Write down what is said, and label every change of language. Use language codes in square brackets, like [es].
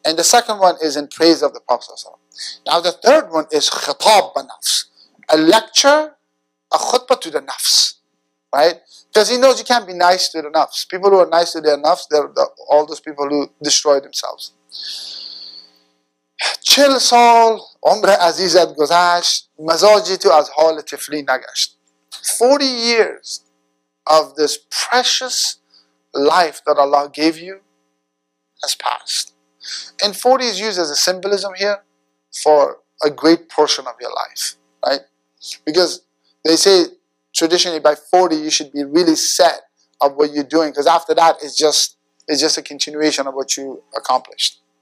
[en] And the second one is in praise of the Prophet. Now the third one is khitab ba-nafs, a lecture, a khutbah to the nafs, right? Because he knows you can't be nice to the nafs. People who are nice to their nafs, all those people who destroy themselves. [fa] چل سال عمر عزیزت گذشت مزاجی تو از حال طفلی نگشت. [en] 40 years of this precious life that Allah gave you has passed. And 40 is used as a symbolism here for a great portion of your life, right? Because they say traditionally by 40 you should be really set of what you're doing, because after that it's just a continuation of what you accomplished.